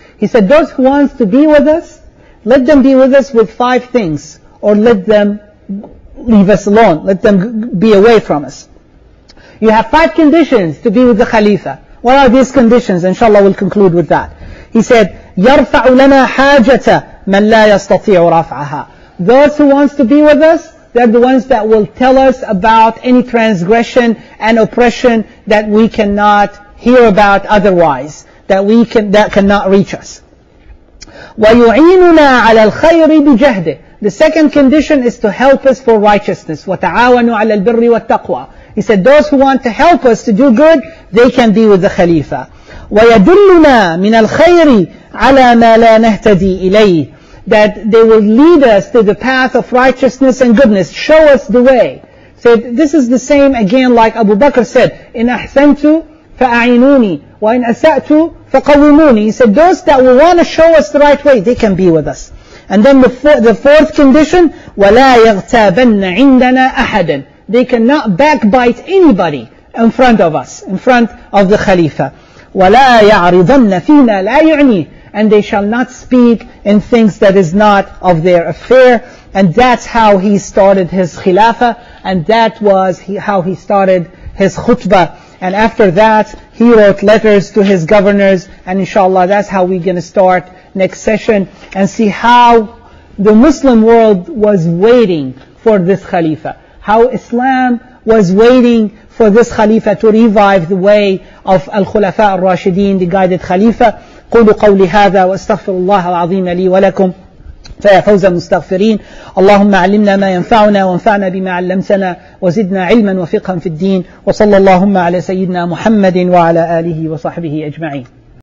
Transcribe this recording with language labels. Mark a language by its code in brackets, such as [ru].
[en] He said, those who wants to be with us, let them be with us with five things, or let them leave us alone. Let them be away from us. You have five conditions to be with the Khalifa. What are these conditions? Inshallah, we'll conclude with that. He said, [ar] يرفع لنا حاجة من لا يستطيع رفعها. [en] Those who wants to be with us, they're the ones that will tell us about any transgression and oppression that we cannot hear about otherwise, that we can, that cannot reach us. [ar] ويعيننا على الخير بجهده. [en] The second condition is to help us for righteousness. [ar] وتعاونوا على البر والتقوى. [en] He said, those who want to help us to do good, they can be with the Khalifa. [ar] ويدلنا من الخير على ما لا نهتدي إليه. [en] That they will lead us to the path of righteousness and goodness. Show us the way. So this is the same again like Abu Bakr said, [ar] إن أحسنت فأعينوني وإن أسأت فقوموني. [en] He said, those that will want to show us the right way, they can be with us. And then the fourth condition, [ar] ولا يغتابن عندنا أحدا. [en] They cannot backbite anybody in front of us, in front of the Khalifa. [ar] ولا يعرضن فينا لا يعني. [en] And they shall not speak in things that is not of their affair. And that's how he started his khilafah. And that was how he started his khutbah. And after that, he wrote letters to his governors. And inshallah, that's how we're going to start next session and see how the Muslim world was waiting for this khalifa. How Islam was waiting for this khalifa to revive the way of al-khulafa al-rashideen, the guided khalifa. [ar] قولوا قولي هذا واستغفر الله العظيم لي ولكم فيا فوز المستغفرين اللهم علمنا ما ينفعنا وانفعنا بما علمتنا وزدنا علما وفقها في الدين وصلى اللهم على سيدنا محمد وعلى آله وصحبه أجمعين.